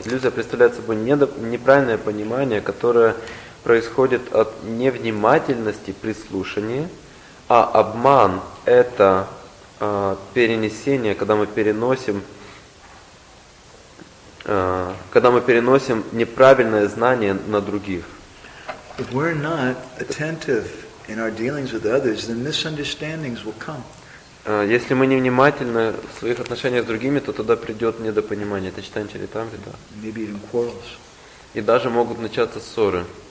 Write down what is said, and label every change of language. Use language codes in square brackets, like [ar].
[ru] Иллюзия представляет собой неправильное понимание, которое происходит от невнимательности при слушании, а обман – это перенесение, когда мы переносим когда мы переносим неправильное знание на других. [en] If we're not attentive in our dealings with others, then misunderstandings will come. [ru] Если мы невнимательны в своих отношениях с другими, то тогда придет недопонимание. Это читаем через там, да. [en] Maybe even quarrels. [ru] И даже могут начаться ссоры.